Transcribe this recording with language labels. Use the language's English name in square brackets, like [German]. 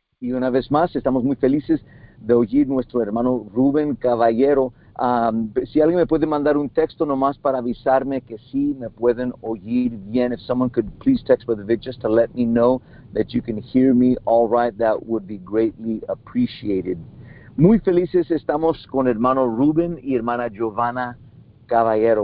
[Spanish] Y una vez más, estamos muy felices de oír nuestro hermano Rubén Caballero. Si alguien me puede mandar un texto nomás para avisarme que sí me pueden oír bien. [English] If someone could please text Brother Vic just to let me know that you can hear me all right, that would be greatly appreciated. [Spanish] Muy felices estamos con hermano Rubén y hermana Giovanna Caballero.